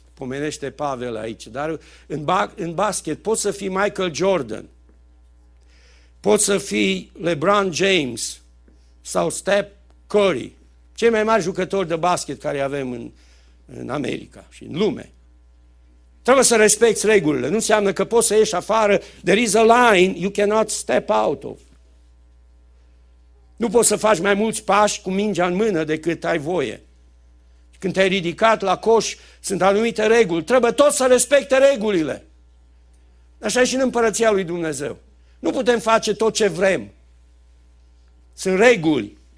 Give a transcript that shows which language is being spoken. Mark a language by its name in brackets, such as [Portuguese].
[Romanian] pomenește Pavel aici, dar în basket poți să fii Michael Jordan, poți să fii LeBron James sau Steph Curry, cei mai mari jucători de basket care avem în America și în lume. Trebuie să respecti regulile. Nu înseamnă că poți să ieși afară. [English] There is a line you cannot step out of. [Romanian] Nu poți să faci mai mulți pași cu mingea în mână decât ai voie. Când te-ai ridicat la coș, sunt anumite reguli. Trebuie tot să respecte regulile. Așa e și în împărăția lui Dumnezeu. Nu putem face tot ce vrem. Sunt reguli.